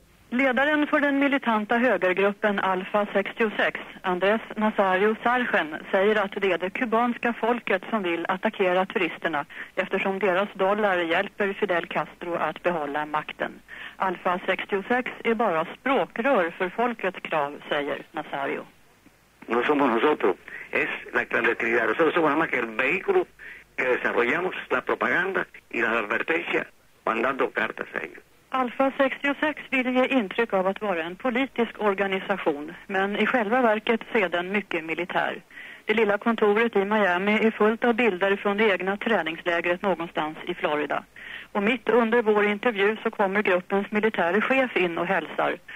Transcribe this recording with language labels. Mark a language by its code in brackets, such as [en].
[sv] Ledaren för den militanta högergruppen Alpha 66, Andrés Nazario Sargen, säger att det är det kubanska folket som vill attackera turisterna eftersom deras dollar hjälper Fidel Castro att behålla makten. Alpha 66 är bara språkrör för folkets krav, säger Nazario. [es] No somos nosotros, es la clandestinidad. Nosotros somos más que el vehículo que desarrollamos la propaganda y la advertencia mandando cartas a ellos. [sv] Alpha 66 vill ge intryck av att vara en politisk organisation, men i själva verket ser den mycket militär. Det lilla kontoret i Miami är fullt av bilder från det egna träningslägret någonstans i Florida. Och mitt under vår intervju så kommer gruppens militära chef in och hälsar.